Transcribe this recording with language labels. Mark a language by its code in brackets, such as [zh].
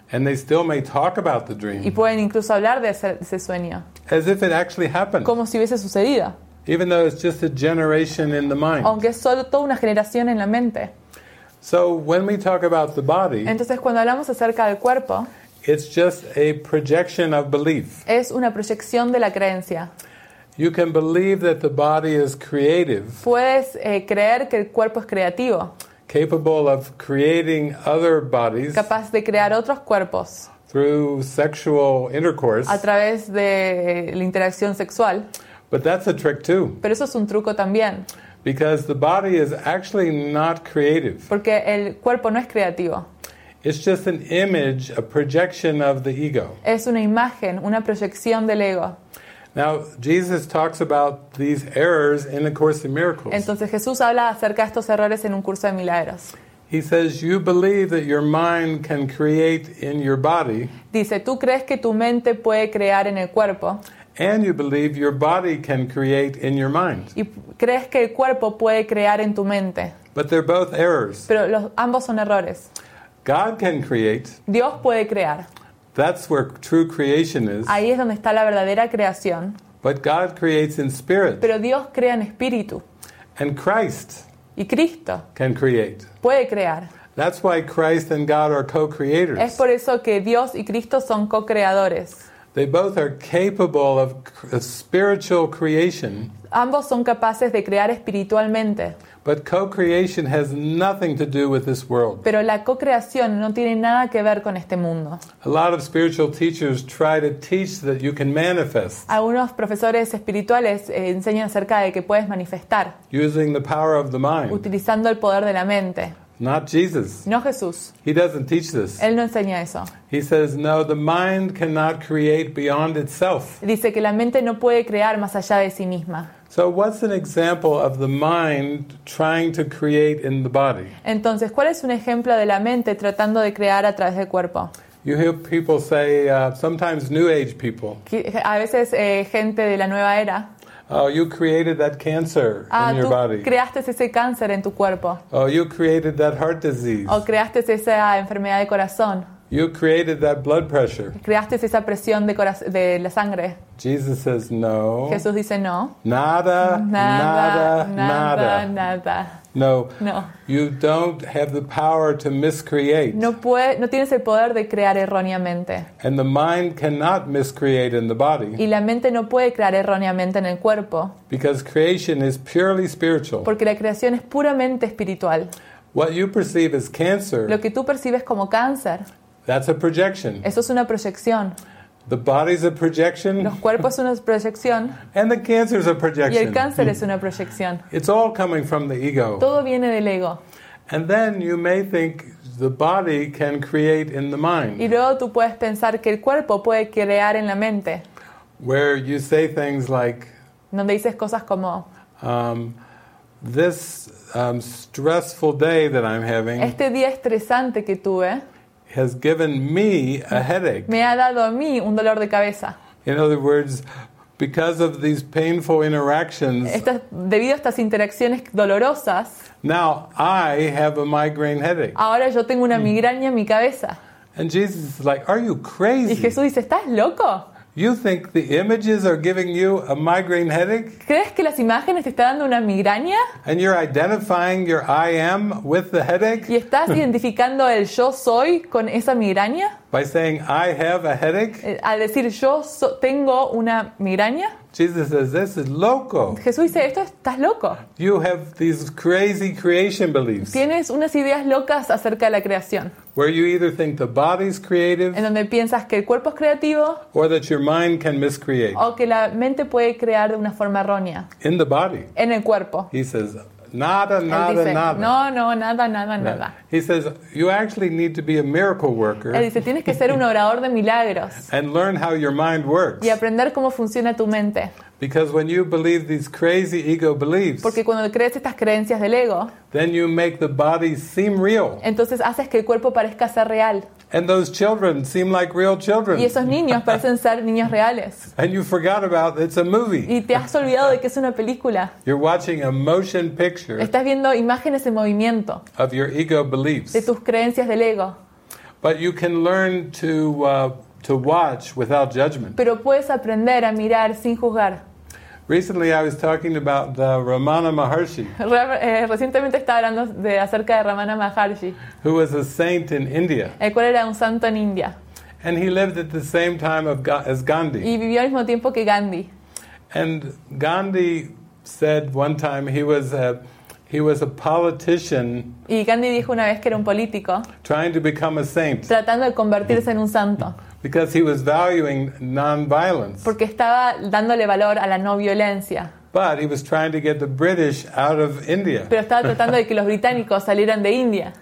[en] And they still may talk about the dream. [es] Y pueden incluso hablar de ese sueño. [en] As if it actually happened. [es] Como si hubiese sucedido. [en] Even though it's just a generation in the mind. [es] Aunque es solo toda una generación en la mente. [en] So when we talk about the body. [es] Entonces cuando hablamos acerca del cuerpo. [en] It's just a projection of belief. [es] Es una proyección de la creencia. [en] You can believe that the body is creative. [es] Puedes creer que el cuerpo es creativo. [en] Capable of creating other bodies. [es] Capaz de crear otros cuerpos. [en] Through sexual intercourse. [es] A través de la interacción sexual. [en] But that's a trick too. [es] Pero eso es un truco también. [en] Because the body is actually not creative. [es] Porque el cuerpo no es creativo. [en] It's just an image, a projection of the ego. [es] Es una imagen, una proyección del ego. [en] Now, Jesus talks about these errors in the Course in Miracles. [es] Entonces Jesús habla acerca de estos errores en un curso de milagros. [en] He says, you believe that your mind can create in your body. [es] Dice, tú crees que tu mente puede crear en el cuerpo. [en] And you believe your body can create in your mind. [es] Y crees que el cuerpo puede crear en tu mente. [en] But they're both errors. [es] Pero ambos son errores. [en] God can create. [es] Dios puede crear. [en] That's where true creation is. [es] Ahí es donde está la verdadera creación. [en] But God creates in spirit. [es] Pero Dios crea en espíritu. [en] And Christ. [es] Y Cristo. [en] Can create. [es] Puede crear. [en] That's why Christ and God are co-creators. [es] Es por eso que Dios y Cristo son co-creadores. [en] They both are capable of spiritual creation. [es] Ambos son capaces de crear espiritualmente. [en] But co-creation has nothing to do with this world. [es] Pero la co-creación no tiene nada que ver con este mundo. [en] A lot of spiritual teachers try to teach that you can manifest. [es] Algunos profesores espirituales enseñan acerca de que puedes manifestar. [en] Using the power of the mind. [es] Utilizando el poder de la mente. [en] Not Jesus. [es] No Jesús. [en] He doesn't teach this. [es] Él no enseña eso. [en] He says, no, the mind cannot create beyond itself. [es] Dice que la mente no puede crear más allá de sí misma. [en] So what's an example of the mind trying to create in the body? [es] Entonces, ¿cuál es un ejemplo de la mente tratando de crear a través del cuerpo? [en] You hear people say, sometimes new age people. [es] A veces gente de la nueva era. [en] Oh, you created that cancer in your body. [es] Tú creaste ese cáncer en tu cuerpo. [en] Oh, you created that heart disease. [es] O creaste esa enfermedad de corazón. [en] You created that blood pressure. [es] Creaste esa presión de la sangre. [en] Jesus says no. [es] Jesús dice no. Nada, nada, nada, nada. Nada. [en] No. [es] No. [en] You don't have the power to miscreate. [es] No tienes el poder de crear erróneamente. [en] And the mind cannot miscreate in the body. [es] Y la mente no puede crear erróneamente en el cuerpo. [en] Because creation is purely spiritual. [es] Porque la creación es puramente espiritual. [en] What you perceive as cancer. [es] Lo que tú percibes como cáncer. [en] That's a projection. [es] Eso es una proyección. [en] The body's a projection. [es] Los cuerpos son una proyección. [en] And the cancer's a projection. [es] Y el cáncer es una proyección. [en] It's all coming from the ego. [es] Todo viene del ego. [en] And then you may think the body can create in the mind. [es] Y luego tú puedes pensar que el cuerpo puede crear en la mente. [en] where you say things like, [es] donde dices cosas como, [en] this stressful day that I'm having, [es] este día estresante que tuve, [en] has given me a headache. [es] Me ha dado a mí un dolor de cabeza. [en] In other words, because of these painful interactions, [es] debido a estas interacciones dolorosas, [en] now I have a migraine headache. [es] Ahora yo tengo una migraña en mi cabeza. [en] And Jesus is like, "Are you crazy?" [es] Y Jesús dice, "¿Estás loco?" [en] You think the images are giving you a migraine headache? [es] ¿Crees que las imágenes te están dando una migraña? [en] And you're identifying your I am with the headache? [es] ¿Y estás identificando el yo soy con esa migraña? [en] By saying I have a headache? [es] Al decir yo tengo una migraña? [en] Jesus says this is loco. [es] Jesús dice esto, estás loco. [en] You have these crazy creation beliefs. [es] Tienes unas ideas locas acerca de la creación. [en] Where you either think the body's creative, [es] en donde piensas que el cuerpo es creativo, [en] or that your mind can miscreate, [es] o que la mente puede crear de una forma errónea, [en] in the body, [es] en el cuerpo. [en] He says, [es] nada, nada, dice, nada. No, no, nada, nada, no. Nada. [en] He says, you actually need to be a miracle worker. [es] Él dice, tienes que ser un orador de milagros. [en] And learn how your mind works. [es] Y aprender cómo funciona tu mente. [en] Because when you believe these crazy ego beliefs, [es] porque cuando crees estas creencias del ego, [en] then you make the body seem real. [es] Entonces haces que el cuerpo parezca ser real. [en] And those children seem like real children. [es] Y esos niños parecen ser niños reales. [en] And you forgot about it's a movie. [es] Y te has olvidado de que es una película. [en] You're watching a motion picture. [es] Estás viendo imágenes en movimiento. [en] Of your ego beliefs. [es] De tus creencias del ego. [en] But you can learn to watch without judgment. [es] Pero puedes aprender a mirar sin juzgar. [en] Recently I was talking about the Ramana Maharshi. [es] Recientemente estaba hablando acerca de Ramana Maharshi. [en] Who was a saint in India. [es] El cual era un santo en India. [en] And he lived at the same time as Gandhi. [es] Y vivió al mismo tiempo que Gandhi. [en] And Gandhi said one time he was a politician. [es] Y Gandhi dijo una vez que era un político. [en] Trying to become a saint. [es] Tratando de convertirse en un santo. [en] Because he was valuing non-violence. [es] Porque estaba dándole valor a la no violencia. [en] But he was trying to get the British out of India. [es] Pero estaba tratando de que los británicos salieran de India.